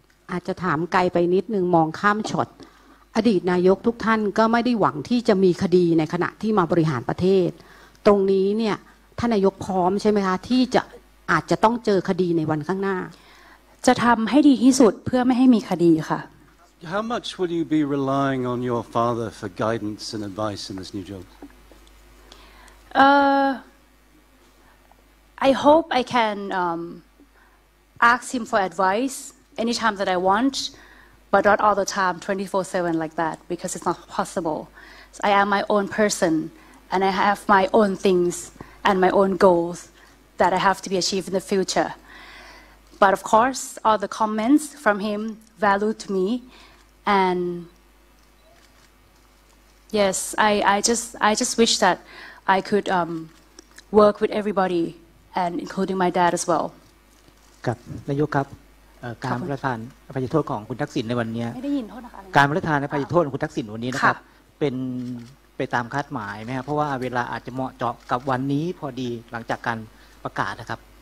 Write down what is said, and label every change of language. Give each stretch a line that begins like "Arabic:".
Thai: อาจจะถามไกลไปนิดนึงมองข้ามช็อตอดีตนายกทุกท่านก็ไม่ได้หวังที่จะมีคดีในขณะที่มาบริหารประเทศตรงนี้เนี่ยท่านนายกพร้อมใช่ไหมคะที่จะอาจจะต้องเจอคดีในวันข้างหน้า จะทำให้ดีที่สุดเพื่อไม่ให้มีคดีค่ะ
English: How much will you be relying on your father for guidance and advice in this new job? I hope I can ask him for advice anytime that I want, but not all the time 24/7 like that because it's not possible. So I am my own person and I have my own things and my own goals. That I have to be achieved in the future, but of course, all the comments from him value to me, and yes, I just wish that I could work with everybody, and including my dad as well.
Thai: กับนายกครับการประทานอภัยโทษของคุณทักษิณในวันนี้ ไม่ได้ยินโทษนะคะ การประทานอภัยโทษของคุณทักษิณวันนี้นะครับเป็นไปตามคาดหมายไหมครับเพราะว่าเวลาอาจจะเหมาะเจาะกับวันนี้พอดีหลังจากการประกาศนะครับ